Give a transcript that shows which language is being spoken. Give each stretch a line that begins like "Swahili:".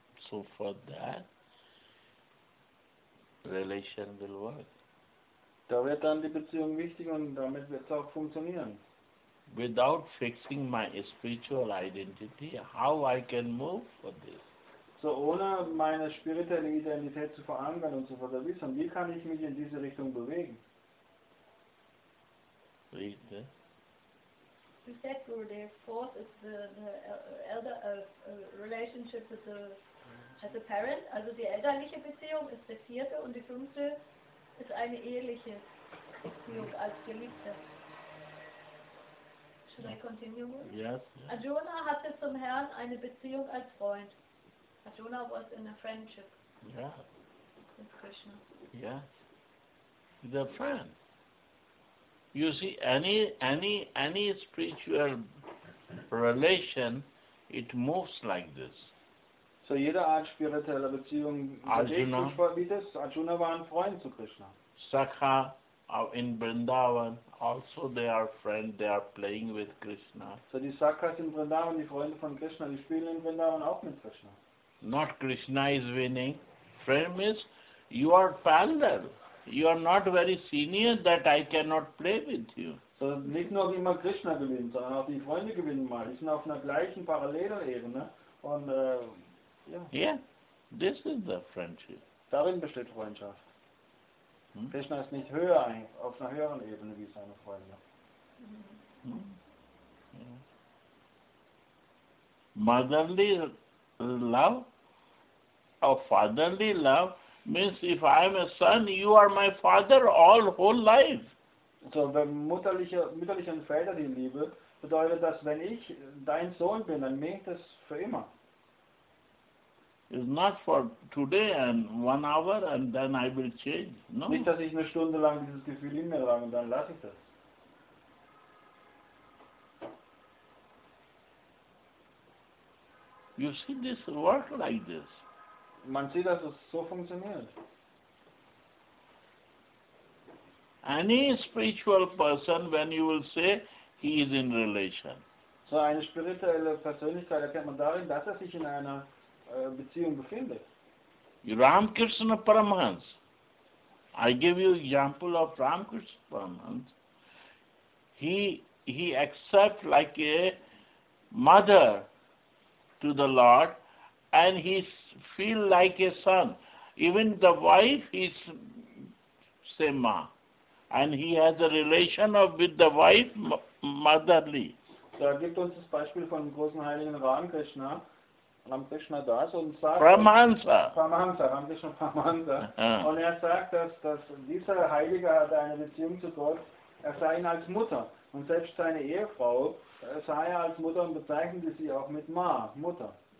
English: So for that relation will work.
German: Da wird dann die Beziehung wichtig und damit wird es auch funktionieren.
English: Without fixing my spiritual identity, how I can move for this?
German: So ohne meine spirituelle Identität zu verankern und zu verwirklichen, wie kann ich mich in diese Richtung bewegen?
English: Read this. The second or the fourth is the elder relationship with the as a parent.
German: Also die elterliche Beziehung ist der vierte und die fünfte ist eine eheliche Beziehung als Geliebte.
English: Should I continue? Yes.
German: Arjuna hatte zum Herrn eine Beziehung als Freund.
English: Arjuna was in a friendship. Yeah. With Krishna. Yeah. The friend. You see, any spiritual relation, it moves like this.
German: So jede Art spiritueller Beziehung bewegt sich wie das. Arjuna war ein Freund zu Krishna.
Sanskrit: Sakha.
English: In Vrindavan, also they are friends, they are playing with Krishna.
German: So die Sakas in Vrindavan, die Freunde von Krishna, die spielen in Vrindavan auch mit Krishna.
English: Not Krishna is winning. Friend means, you are Pandav. You are not very senior that I cannot play with you.
German: So nicht nur immer Krishna gewinnt, sondern auch die Freunde gewinnen mal. Die sind auf einer gleichen Parallelebene. Und,
English: Yeah, this is the friendship.
German: Darin besteht Freundschaft. Krishna ist nicht höher auf einer höheren Ebene wie seine Freunde.
English: Motherly love or fatherly love means if I am a son, you are my father all whole life.
German: So wenn mütterliche und Väter die Liebe bedeutet, dass wenn ich dein Sohn bin, dann meint das für immer.
English: It's not for today and 1 hour and then I will change. No.
German: Nicht, dass ich eine Stunde lang dieses Gefühl in mir lang und dann lasse ich das.
English: You see this work like this.
German: Man sieht, dass es so funktioniert.
English: Any spiritual person, when you will say, he is in relation.
German: So eine spirituelle Persönlichkeit erkennt man darin, dass er sich in einer Beziehung befindet.
English: Ramakrishna Paramahans. I give you example of Ramakrishna Paramahans. He he accepts like a mother to the Lord, and he feels like a son. Even the wife is same ma, and he has a relation of with the wife motherly.
German: Da gibt uns das Beispiel von dem großen Heiligen Ramakrishna. Ramakrishna das und sagt Paramahansa. Paramahansa, Ramakrishna Paramahansa. Und er sagt, dass dieser Heilige hat eine Beziehung zu Gott. Er sei ihn als Mutter. Und selbst seine Ehefrau sei er als Mutter und bezeichnete sie auch mit Ma, Mutter.